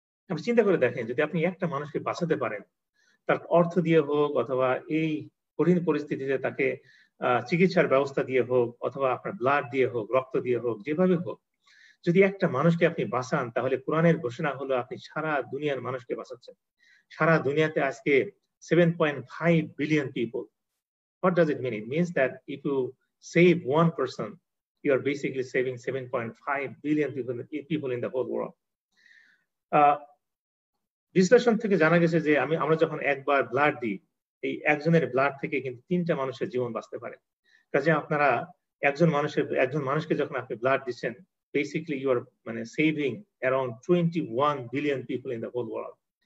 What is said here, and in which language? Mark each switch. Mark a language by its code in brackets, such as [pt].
[bn] আপনি চিন্তা করে দেখেন, যদি আপনি একটা মানুষকে বাঁচাতে পারেন, তার অর্থ দিয়ে হোক অথবা এই কঠিন পরিস্থিতিতে তাকে চিকিৎসার ব্যবস্থা দিয়ে হোক অথবা আপনার ব্লাড দিয়ে হোক, রক্ত দিয়ে হোক, যেভাবে হোক, যদি একটা মানুষকে আপনি বাঁচান, তাহলে কোরআনের ঘোষণা হলো আপনি সারা দুনিয়ার মানুষকে বাঁচাচ্ছেন। সারা দুনিয়াতে আজকে [en] 7.5 billion people, what does it mean? It means that if you save one person, you are basically saving 7.5 billion people in the whole world. [bn] বিশ্লেষণ থেকে জানা গেছে যে আমরা যখন একবার ব্লাড দিই, এই একজনের ব্লাড থেকে কিন্তু তিনটা মানুষের জীবন বাঁচতে পারে। কাজে আপনারা একজন মানুষকে যখন আপনি ব্লাড দিচ্ছেন, [en] Basically you are মানে saving around 21 billion people in the whole world.